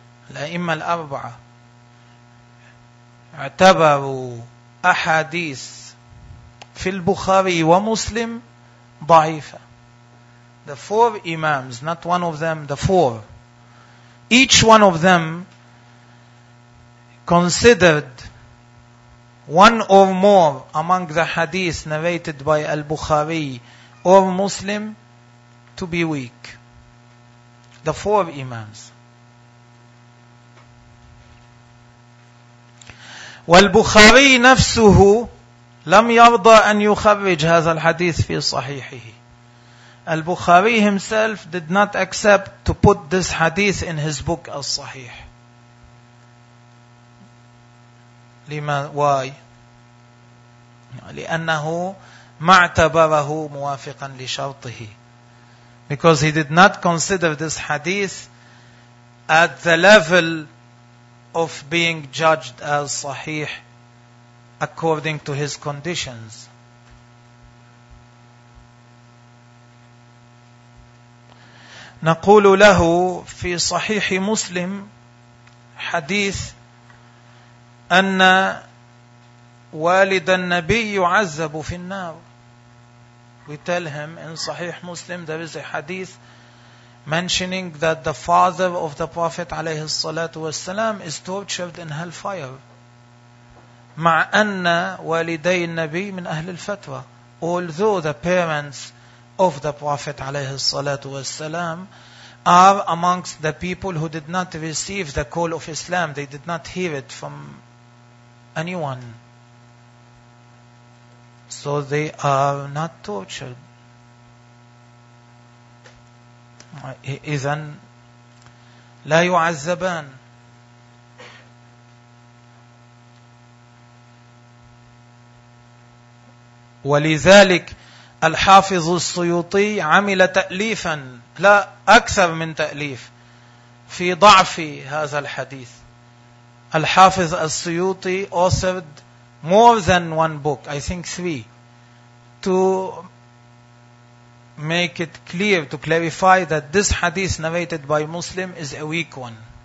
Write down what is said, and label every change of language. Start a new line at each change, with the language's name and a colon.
Arabic: الأئمة الأربعة اعتبروا أحاديث في البخاري ومسلم ضعيفة.
English: The four imams, not one of them, the four, each one of them considered one or more among the hadith narrated by al-Bukhari or Muslim to be weak. The four imams.
Arabic: وَالْبُخَارِي نَفْسُهُ لَمْ يَرْضَى أَنْ يُخَرِّجْ هَذَا الْحَدِيثِ فِي صَحِيحِهِ.
English: Al-Bukhari himself did not accept to put this hadith in his book al-Sahih. Why?
Arabic: لأنه معتبره موافقا لشرطه.
English: Because he did not consider this hadith at the level of being judged as sahih according to his conditions.
Arabic: نقول له في صحيح مسلم حديث أن والد النبي يعذب في النار.
English: We tell him in صحيح مسلم there is a hadith mentioning that the father of the Prophet
Arabic: عليه الصلاة والسلام
English: is tortured in hellfire.
Arabic: مع أن والدي النبي من أهل الفتوى.
English: Although the parents of the Prophet
Arabic: عليه الصلاة والسلام
English: are amongst the people who did not receive the call of Islam. They did not hear it from anyone. So they are not tortured.
Arabic: إذن لا يعذبان. ولذلك الحافظ السيوطي عمل تأليفا لا أكثر من تأليف في ضعف هذا الحديث.
English: الحافظ السيوطي authored more than one book, I think three, to make it clear, to clarify that this hadith narrated by Muslim is a weak one.